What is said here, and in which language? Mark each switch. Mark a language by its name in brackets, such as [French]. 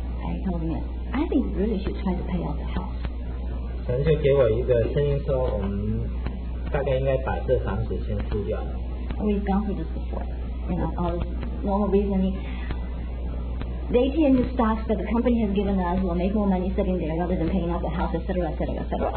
[English] I told him, I think you really should try to pay off the house. [Chinese] 神就给我一个声音说，我们大概应该把这房子先付掉。 [English] We've gone through this before. All this normal reasoning. The ATM stocks that the company has given us will make more money sitting there rather than paying off the house, etc., etc., etc.